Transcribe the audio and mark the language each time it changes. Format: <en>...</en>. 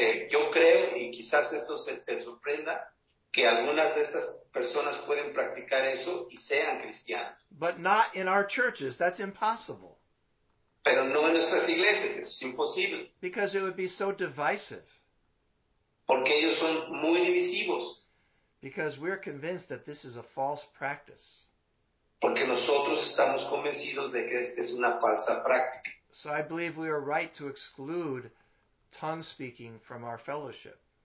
<es>Yo creo, y quizás esto se te sorprenda, que algunas de estas personas pueden practicar eso y sean cristianos.</es> <en>But not in our churches. That's impossible.</en> <es>Pero no en nuestras iglesias. Eso es imposible.</es> <en>Because it would be so divisive.</en> <es>Porque ellos son muy divisivos.</es> <en>Because we're convinced that this is a false practice.</en> <es>Porque nosotros estamos convencidos de que esta es una falsa práctica.</es> <en>So I believe we are right to exclude tongue speaking from our fellowship.</en>